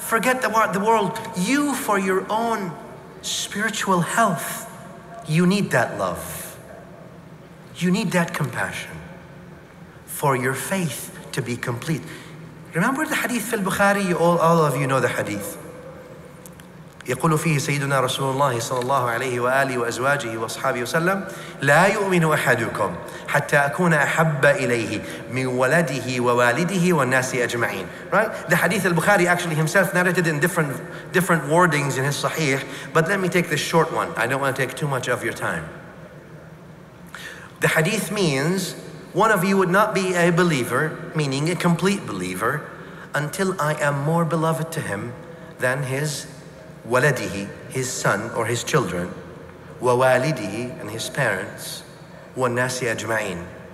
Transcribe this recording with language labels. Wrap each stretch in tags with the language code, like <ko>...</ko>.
<en>Forget about the world. You, for your own spiritual health, you need that love. You need that compassion for your faith to be complete. Remember the hadith fil Bukhari? All of you know the hadith.</en> <ar>يقول فيه سيدنا رسول الله صلى الله عليه وآله وأزواجه وأصحابه وسلم لا يؤمن أحدكم حتى أكون أحب إليه من ولده ووالده والناس أجمعين.</ar> <en>Right? The hadith al-Bukhari actually himself narrated in different wordings in his Sahih. But let me take this short one. I don't want to take too much of your time. The hadith means, one of you would not be a believer, meaning a complete believer, until I am more beloved to him than his waladihi, his son or his children, wa walidihi, and his parents, wa nasi ajma'in.</en>